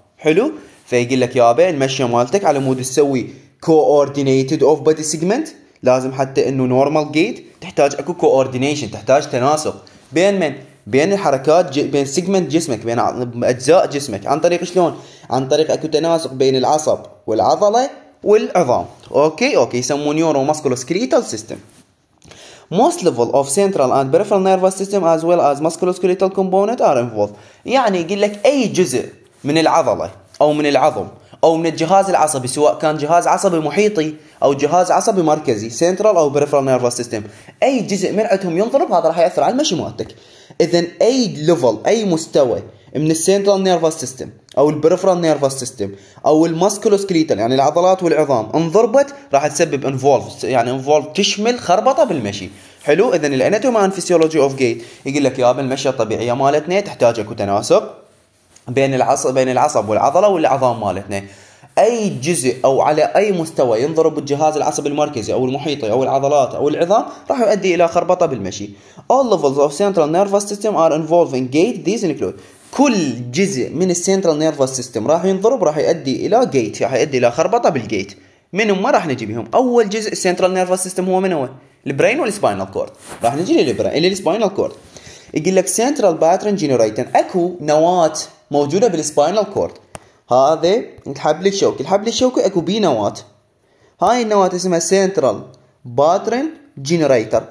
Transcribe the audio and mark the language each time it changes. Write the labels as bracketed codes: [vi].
[ar] حلو فيقول لك يا بين المشي مالتك على مود تسوي [en] coordinated of body segment، [ar] لازم حتى انه normal gait تحتاج اكو coordination، تحتاج تناسق بين من بين الحركات بين segment جسمك بين اجزاء جسمك، عن طريق شلون؟ عن طريق اكو تناسق بين العصب والعضلة والعظام. اوكي يسمون [en] neuro musculoskeletal system. Most level of central and peripheral nervous system as well as musculoskeletal component are involved. [ar] يعني يقول لك أي جزء من العضلة أو من العظم أو من الجهاز العصبي، سواء كان جهاز عصبي محيطي أو جهاز عصبي مركزي central أو peripheral nervous system، أي جزء من عندهم ينضرب هذا راح يأثر على المشي مالتك. إذن أي level أي مستوى من central nervous system أو peripheral nervous system أو musculoskeletal يعني العضلات والعظام انضربت راح تسبب involved، يعني involved تشمل خربطة بالمشي. حلو إذن الأناتومي [en] and physiology of gait [ar] يقول لك يا بالمشي الطبيعية مالتنا تحتاج اكو تناسق بين العصب والعضلة والعظام مالتنا، أي جزء أو على أي مستوى ينضرب الجهاز العصبي المركزي أو المحيطي أو العضلات أو العظام راح يؤدي إلى خربطة بالمشي. [en] All levels of central nervous system are involved in gait. These include [ar] كل جزء من السنترال نيرفوس سيستم راح ينضرب راح يؤدي الى جيت، راح يؤدي الى خربطه بالجيت. من ما راح نجي بهم؟ اول جزء السنترال نيرفوس سيستم هو من هو؟ البرين والسباينال كورد. راح نجي للبرين للسباينال كورد. يقول لك سنترال باترن جينيريتن، اكو نواه موجوده بالسباينال كورد، هذا الحبل الشوكي، الحبل الشوكي اكو بيه نواه، هاي النواه اسمها سنترال باترن جينيريتر.